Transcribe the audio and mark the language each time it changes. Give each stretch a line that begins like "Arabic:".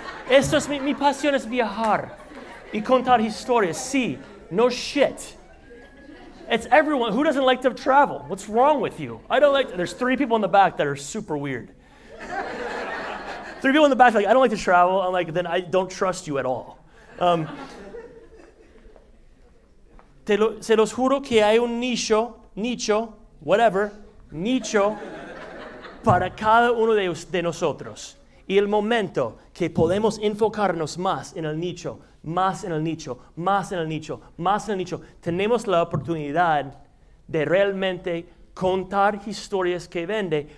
Spanish: Esto es mi pasión, es viajar. Y contar historias. Sí,
English: no shit. It's everyone. Who doesn't like to travel? What's wrong with you? I don't like to. There's 3 people in the back that are super weird. 3 people in the back are like, I don't like to travel. I'm like, then I don't trust you at all.
Spanish: Se los juro que hay un nicho,
English: whatever.
Spanish: Nicho para cada uno de nosotros. Y el momento que podemos enfocarnos más en el nicho, más en el nicho, más en el nicho, más en el nicho, tenemos la oportunidad de realmente contar historias que vende.